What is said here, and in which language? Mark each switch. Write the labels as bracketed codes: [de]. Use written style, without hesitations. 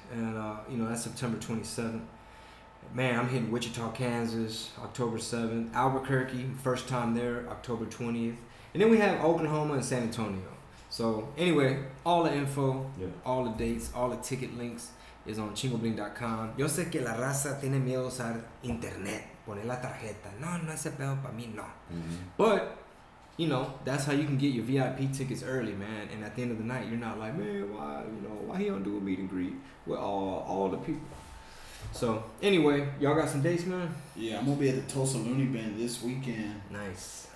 [en] And, you know, that's September 27th. Man, I'm hitting Wichita, Kansas, October 7th. Albuquerque, first time there, October 20th. And then we have Oklahoma and San Antonio. So, anyway, all the info, all the dates, all the ticket links is on chingobling.com. [es] Yo sé que la raza tiene miedo usar internet, poner la tarjeta. No, no es el pedo para mí, no. [en] But, you know, that's how you can get your VIP tickets early, man. And at the end of the night, you're not like, man, why, you know, why he don't do a meet and greet with all the people? So, anyway, y'all got some dates, man? Yeah, I'm going to be at the Tulsa Looney Bin this weekend. Nice.